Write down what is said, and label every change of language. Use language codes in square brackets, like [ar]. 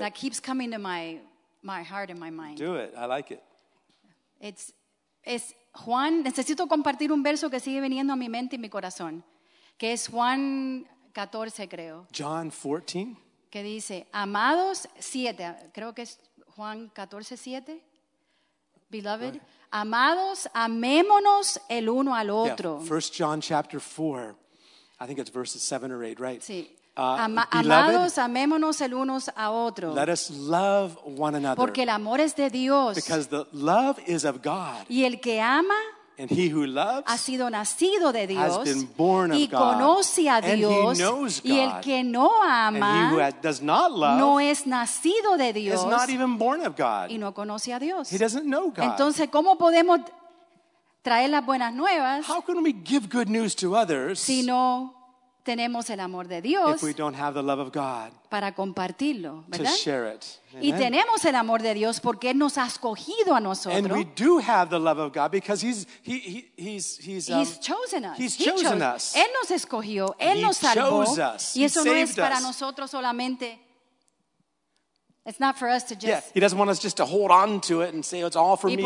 [en] That keeps coming to my heart and my mind. Do it. I like it. It's Juan. [es] Necesito compartir un verso que sigue viniendo a mi mente y mi corazón. Que es Juan 14, creo. [en] John 14. [es] Que dice, amados siete. Creo que es Juan 14:7, beloved, amados, amémonos el uno al otro. [en] Yeah. First John chapter 4, I think it's verses 7 or 8, right? [es] Sí. Amados, amémonos el unos a otro. [en] Let us love one another. [es] Porque el amor es de Dios. [en] Because the love is of God. [es] Y el que ama. [en] And he who loves [es] ha sido nacido de Dios, [en] has been born of [es] y conoce a Dios, [en] and he knows God. [es] Y el que no ama, [en] and he who does not love [es] no es nacido de Dios, [en] is not even born of God. [es] Y no conoce a Dios. [en] He doesn't know God. [es] Entonces, ¿cómo podemos traer las buenas nuevas? [en] How can we give good news to others [es] si no tenemos el amor de Dios, [en] if we don't have the love of God, [es] para compartirlo, ¿verdad? [en] To share it. [es] Y tenemos el amor de Dios porque Él nos ha escogido a nosotros. [en] And we do have the love of God because he's chosen us. He's chosen us. [es] Él nos escogió, Él nos salvó. Y eso no es para [en] us. [es] Nosotros solamente. [en] It's not for us to just. Yeah, he doesn't want us just to hold on to it and say, oh, it's all for me, it's